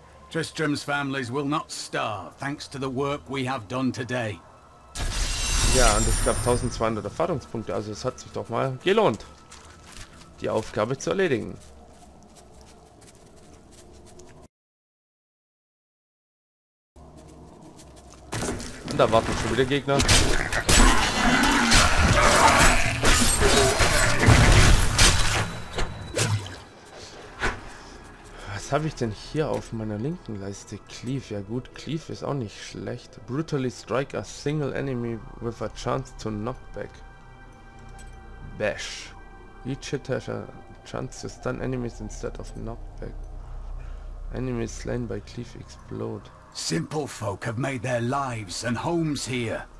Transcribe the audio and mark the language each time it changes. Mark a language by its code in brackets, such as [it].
[en] Tristram's families will not starve, thanks to the work we have done today. [de] Ja, und es gab 1200 Erfahrungspunkte, also es hat sich doch mal gelohnt, die Aufgabe zu erledigen. Und da warten schon wieder Gegner. Was habe ich denn hier auf meiner linken Leiste? Cleave, ja gut, Cleave ist auch nicht schlecht. [en] Brutally strike a single enemy with a chance to knock back. Bash. Each hit has a chance to stun enemies instead of knock back. Enemies slain by Cleave explode. Simple folk have made their lives and homes here.